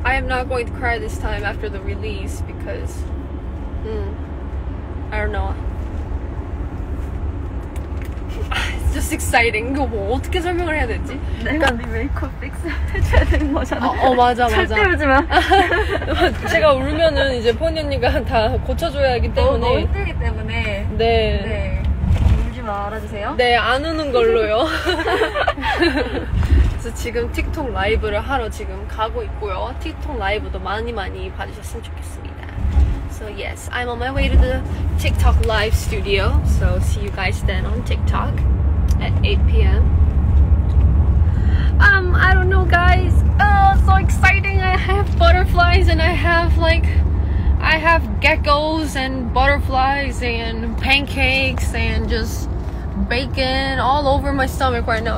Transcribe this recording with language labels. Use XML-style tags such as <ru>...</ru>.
<en>I am not going to cry this time after the release because I don't know. It's just exciting.</en> <ko>이거 뭐 어떻게 설명을 해야 되지? 내가 네 메이크업 픽스 해줘야 되는 거잖아. 맞아. 절대 울지 마. 제가 울면은 이제 포니 언니가 다 고쳐줘야 하기 때문에. 너무 힘들기 때문에. 네. 네. 울지 마. 알아주세요. 네. 안 우는 걸로요. 그래서 지금 틱톡 라이브를 하러 지금 가고 있고요. 틱톡 라이브도 많이 많이 봐주셨으면 좋겠습니다.</ko> <en>So yes, I'm on my way to the TikTok live studio. So see you guys then on TikTok at 8 PM. I don't know, guys. Oh, so exciting. I have butterflies and I have geckos and butterflies and pancakes and just bacon all over my stomach right now.</en>